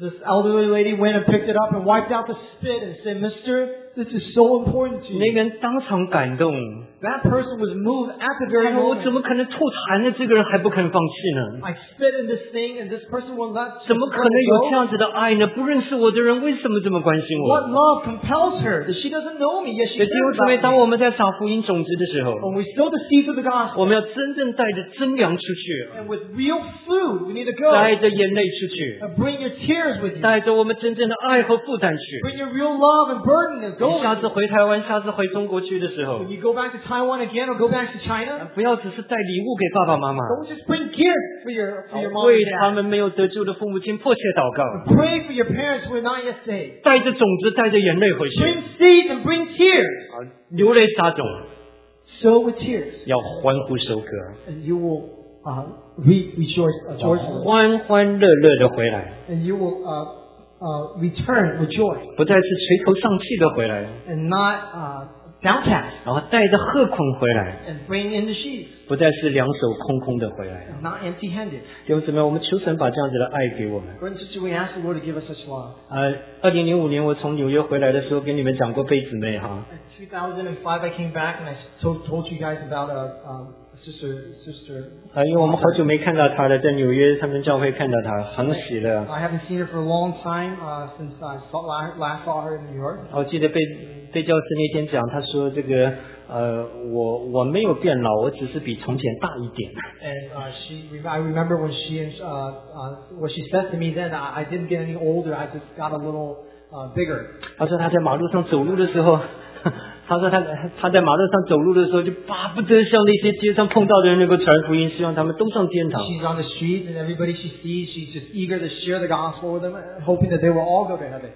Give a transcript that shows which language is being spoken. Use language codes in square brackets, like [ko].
[en] This elderly lady went and picked it up and wiped out the spit and said, Mister, this is so important to you. [zh] 那个人当场感动。 [en] That person was moved at the very moment. [zh] 我怎么可能吐痰呢？这个人还不肯放弃呢。 [en] I spit in this thing and this person won't let go. [zh] 怎么可能有这样子的爱呢？不认识我的人为什么这么关心我？ [en] What love compels her? That she doesn't know me, yet she cares about me. [zh] 弟兄姊妹，当我们在撒福音种子的时候， [en] When we sow the seeds of the gospel, [zh] 我们要真正带着真粮出去。 [en] And with real food, we need to go. [zh] 带着眼泪出去。 [en] And bring your tears with you. [zh] 带着我们真正的爱和负担去。 [en] Bring your real love and burden and go. [zh] 下次回台湾，下次回中国去的时候， [en] When you go back to Taiwan again or go back to China? [zh] 不要只是带礼物给爸爸妈妈。 [en] Don't just bring gifts for your mom and dad. Pray for your parents who are not yet saved. [zh] 带着种子，带着眼泪回去。 [en] Bring seeds and bring tears. [zh] 流泪撒种。 [en] Sow with tears. [zh] 要欢呼收割。 [en] And you will rejoice. [zh] 欢欢乐乐的回来。 [en] And you will return with joy. [zh] 不再是垂头丧气的回来。 [en] And not downcast, [zh] 然后带着贺捆回来, [en] and bring in the sheaves, [zh] 不再是两手空空的回来, [en] and not empty handed. [zh] 弟兄姊妹, 我们求神把这样子的爱给我们。 [en] Brothers, we ask the Lord to give us such love. [zh] 2005年, 我从纽约回来的时候跟你们讲过贝姊妹, huh? [en] In 2005, I came back and I told you guys about a sister. [zh] 因为我们好久没看到她了, 在纽约他们教会看到她, 很喜乐。 [en] I haven't seen her for a long time since I last saw her in New York. [zh] 我记得被教师那天讲，他说这个， 我没有变老，我只是比从前大一点。 [en] And I remember when she what she said to me then, I didn't get any older, I just got a little bigger. [zh] 他说他在马路上走路的时候， 他说他在马路上走路的时候，就巴不得向那些街上碰到的人能够传福音，希望他们都上天堂。 [en] She's on the street, and everybody she sees, she's just eager to share the gospel with them, hoping that they will all go to heaven.